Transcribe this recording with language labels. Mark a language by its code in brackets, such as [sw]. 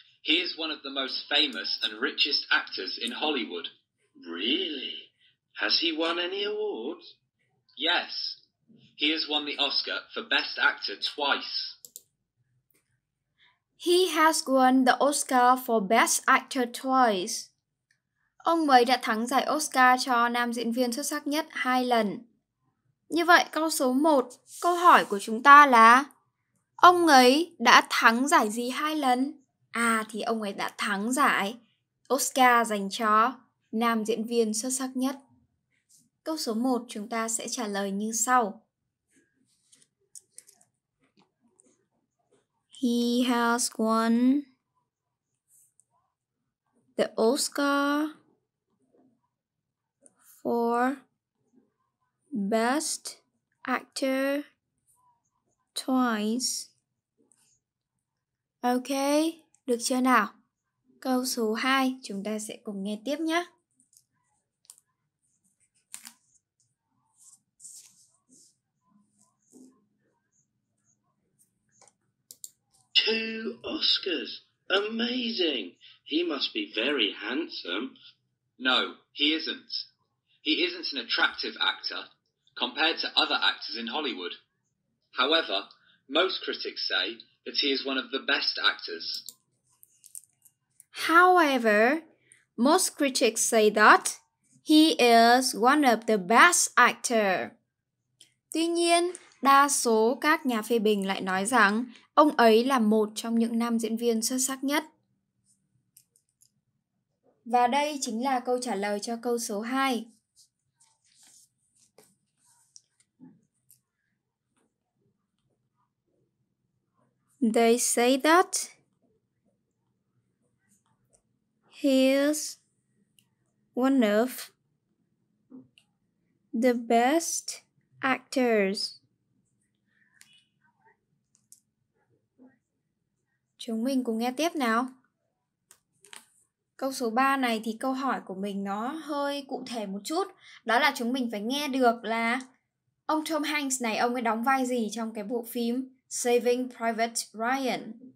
[en] He is one of the most famous and richest actors in Hollywood. Really? Has he won any awards? Yes. He has won the Oscar for Best Actor twice. He has won the Oscar for Best Actor twice. [vi] Ông ấy đã thắng giải Oscar cho nam diễn viên xuất sắc nhất 2 lần. Như vậy, câu số 1, câu hỏi của chúng ta là ông ấy đã thắng giải gì 2 lần? À thì ông ấy đã thắng giải Oscar dành cho nam diễn viên xuất sắc nhất. Câu số 1 chúng ta sẽ trả lời như sau. He has won the Oscar for Best Actor twice. Ok, được chưa nào? Câu số 2 chúng ta sẽ cùng nghe tiếp nhé. [en] Two Oscars. Amazing. He must be very handsome. No, he isn't. He isn't an attractive actor compared to other actors in Hollywood. However, most critics say that he is one of the best actors. However, most critics say that he is one of the best actor. [vi] Tuy nhiên, đa số các nhà phê bình lại nói rằng ông ấy là một trong những nam diễn viên xuất sắc nhất. Và đây chính là câu trả lời cho câu số 2. [en] They say that he is one of the best actors. [vi] Chúng mình cùng nghe tiếp nào. Câu số 3 này thì câu hỏi của mình nó hơi cụ thể một chút. Đó là chúng mình phải nghe được là ông Tom Hanks này, ông ấy đóng vai gì trong cái bộ phim Saving Private Ryan?